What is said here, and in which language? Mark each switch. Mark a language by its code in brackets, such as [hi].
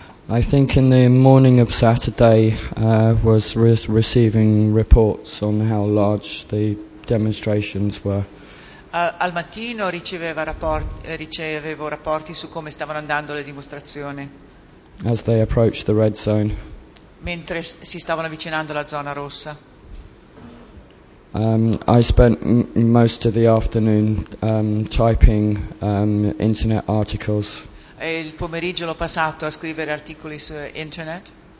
[en] I think in the morning of Saturday was receiving reports on how large the demonstrations were. [it] Al mattino ricevevo rapporti su come stavano andando le dimostrazioni. [en] As they approached the red zone. [it] Mentre si stavano avvicinando alla zona rossa. [en] I spent most of the afternoon typing internet articles. [it] E il pomeriggio l'ho passato a scrivere articoli su internet.